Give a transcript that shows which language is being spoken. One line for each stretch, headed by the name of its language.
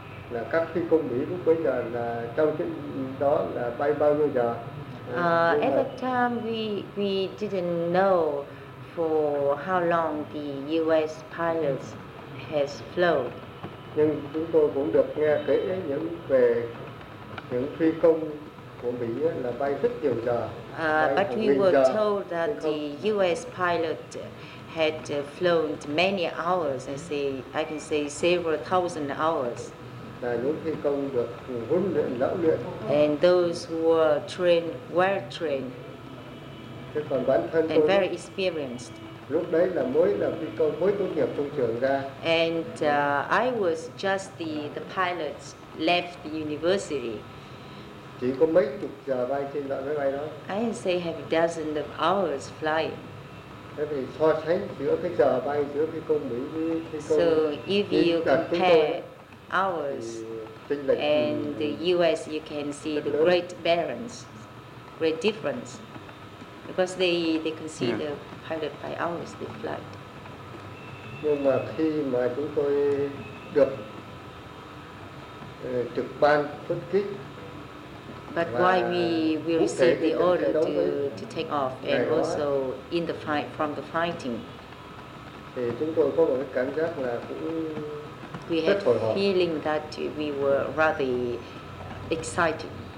Vietnamese: Là các phi công Mỹ lúc bấy giờ là trong chuyện đó là bay bao nhiêu giờ?
English: At that time we didn't know for how long the U.S. pilots has flown.
Vietnamese: Nhưng chúng tôi cũng được nghe kể những về những phi công của Mỹ là bay rất nhiều giờ.
English: But we were told that the U.S. pilot had flown many hours. I can say several thousand hours.
Vietnamese: Là những phi công được huấn luyện lão luyện.
English: And those who were trained, well trained.
Vietnamese: Thế còn bản thân
English: and very experienced.
Vietnamese: Lúc đấy là mới tốt nghiệp trong trường ra.
English: And I was just the pilot left the university.
Vietnamese: Chỉ có mấy chục giờ bay trên loại máy bay đó.
English: I didn't say have dozens of hours flying.
Vietnamese: Thế thì so sánh giữa cái giờ bay giữa phi công Mỹ với phi công.
English: So if you compare hours and the U.S., you can see the great balance, great difference, because they can see the pilot by hours they fly.
Vietnamese: Nhưng mà khi mà chúng tôi được trực ban xuất kích,
English: but why we receive the order to take off and also in the fight from the fighting?
Vietnamese: Thì chúng tôi có một cái cảm giác là cũng
English: we had feeling that we were rather excited.